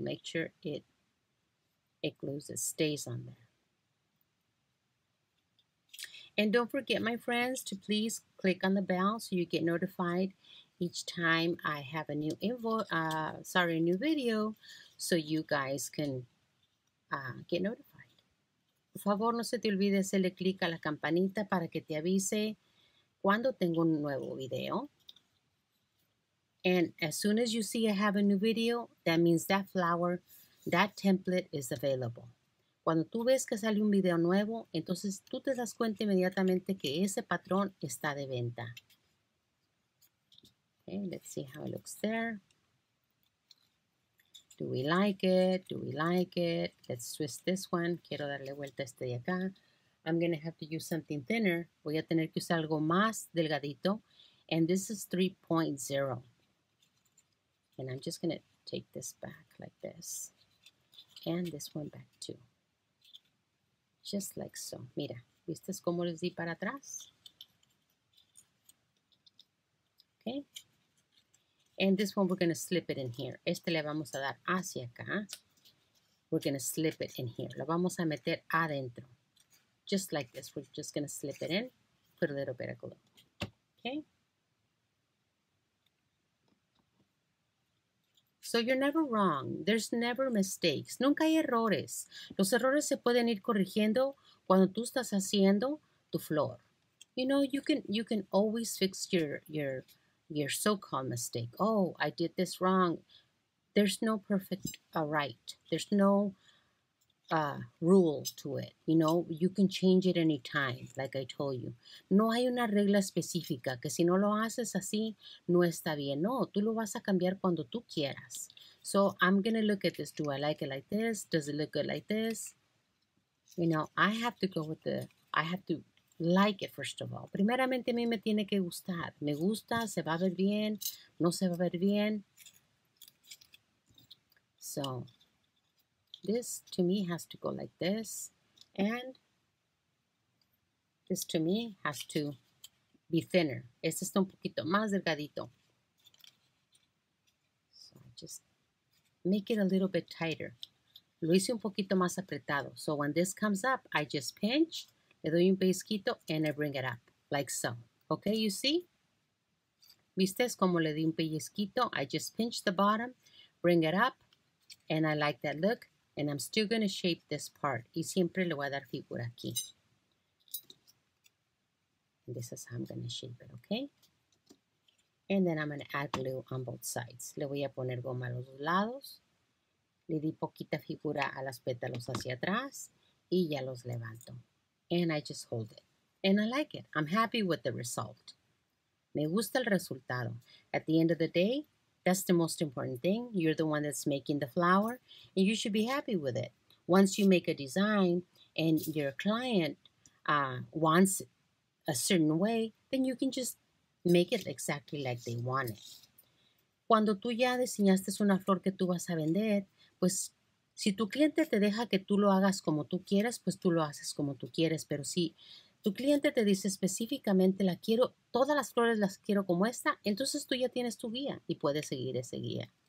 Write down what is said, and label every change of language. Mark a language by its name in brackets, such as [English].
[English] Make sure it glues, it stays on there. And don't forget, my friends, to please click on the bell so you get notified each time I have a new new video, so you guys can get notified. [Spanish] Por favor, no se te olvide hacerle clic a la campanita para que te avise cuando tengo un nuevo video. [English] And as soon as you see I have a new video, that means that flower, that template is available. [Spanish] Cuando tú ves que sale un video nuevo, entonces tú te das cuenta inmediatamente que ese patrón está de venta. [English] Okay, let's see how it looks there. Do we like it? Do we like it? Let's twist this one. [Spanish] Quiero darle vuelta a este de acá. [English] I'm going to have to use something thinner. [Spanish] Voy a tener que usar algo más delgadito. [English] And this is 3.0. And I'm just going to take this back like this. And this one back too. Just like so. [Spanish] Mira, ¿Viste cómo les di para atrás? [English] Okay. And this one we're going to slip it in here. [Spanish] Este le vamos a dar hacia acá. [English] We're going to slip it in here. [Spanish] Lo vamos a meter adentro. [English] Just like this. We're just going to slip it in. Put a little bit of glue. Okay. So you're never wrong. There's never mistakes. [Spanish] Nunca hay errores. Los errores se pueden ir corrigiendo cuando tú estás haciendo tu flor. [English] You know, you can always fix your so-called mistake. Oh, I did this wrong. There's no perfect right. There's no rule to it. You know, you can change it anytime, like I told you. [Spanish] No hay una regla específica que si no lo haces así, no está bien. No, tú lo vas a cambiar cuando tú quieras. [English] So I'm going to look at this. Do I like it like this? Does it look good like this? You know, I have to like it, first of all. [Spanish] Primeramente, a mí me tiene que gustar. Me gusta, se va a ver bien, no se va a ver bien. [English] So, this to me has to go like this. And this to me has to be thinner. [Spanish] Este está un poquito más delgadito. [English] So, just make it a little bit tighter. [Spanish] Lo hice un poquito más apretado. [English] So, when this comes up, I just pinch. [Spanish] Le doy un pellizquito [English] and I bring it up, like so. Okay, you see? [Spanish] ¿Viste cómo le di un pellizquito? [English] I just pinch the bottom, bring it up, and I like that look, and I'm still going to shape this part. [Spanish] Y siempre le voy a dar figura aquí. [English] And this is how I'm going to shape it, okay? And then I'm going to add glue on both sides. [Spanish] Le voy a poner goma a los dos lados. Le di poquita figura a las pétalos hacia atrás y ya los levanto. [English] And I just hold it. And I like it. I'm happy with the result. [Spanish] Me gusta el resultado. [English] At the end of the day, that's the most important thing. You're the one that's making the flower. And you should be happy with it. Once you make a design and your client wants a certain way, then you can just make it exactly like they want it. [Spanish] Cuando tú ya diseñaste una flor que tú vas a vender, pues si tu cliente te deja que tú lo hagas como tú quieras, pues tú lo haces como tú quieres. Pero si tu cliente te dice específicamente, la quiero, todas las flores las quiero como esta, entonces tú ya tienes tu guía y puedes seguir ese guía.